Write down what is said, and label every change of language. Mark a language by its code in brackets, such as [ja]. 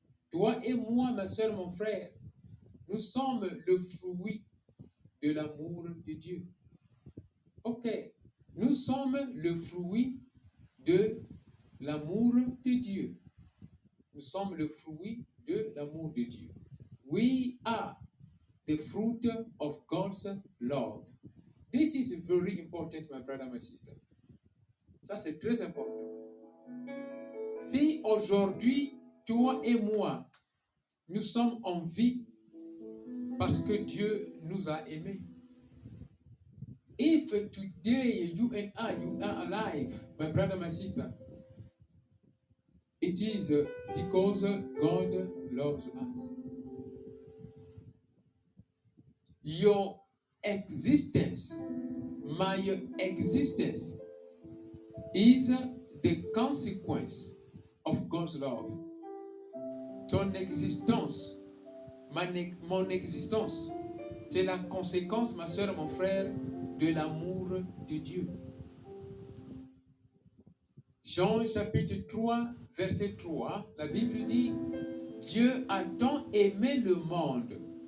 [fr] Toi et moi, ma soeur, mon frère, nous sommes le fruit de l'amour de Dieu. Ok, nous sommes le fruit de l'amour de Dieu. Nous sommes le fruit de l'amour de Dieu. [en] We are the fruit of God's love. This is very important, my brother, my sister. [fr] Ça, c'est très important. Si aujourd'hui, toi et moi, nous sommes en vie parce que Dieu nous a aimés. [en] If today you and I, you are alive, my brother, my sister, it is because God loves us. Your existence, my existence, is the consequence of God's love. [fr] Ton existence, mon existence, c'est la conséquence, ma soeur, mon frère, de l'amour de Dieu. Jean chapitre 3, verset 3, la Bible dit, Dieu a tant aimé le monde.